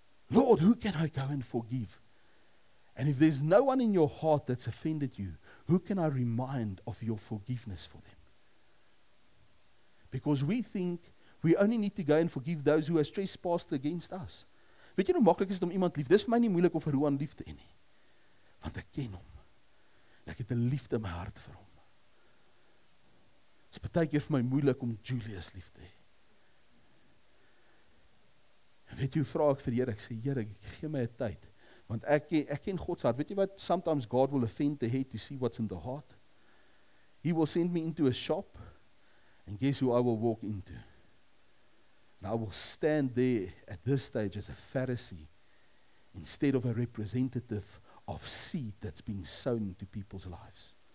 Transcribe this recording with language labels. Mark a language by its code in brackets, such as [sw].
[en] Lord, who can I go and forgive? And if there's no one in your heart that's offended you, who can I remind of your forgiveness for them? Because we think we only need to go and forgive those who have trespassed against us. [af] Weet jy hoe maklik is dit om iemand lief? Dis vir my nie moeilik om vir Roan lief te hê nie. Want ek ken hom. Ek het 'n liefde in my hart vir hom. Dis partykeer vir my moeilik om Julius lief te hê. Weet jy hoe vra ek vir die Here? Ek sê, Here, gee my 'n tyd. Want ek ken God's heart. Weet jy wat? [en] Sometimes God will offend the head to see what's in the heart. He will send me into a shop. And guess who I will walk into? And I will stand there at this stage as a Pharisee. Instead of a representative of seed that's being sown into people's lives.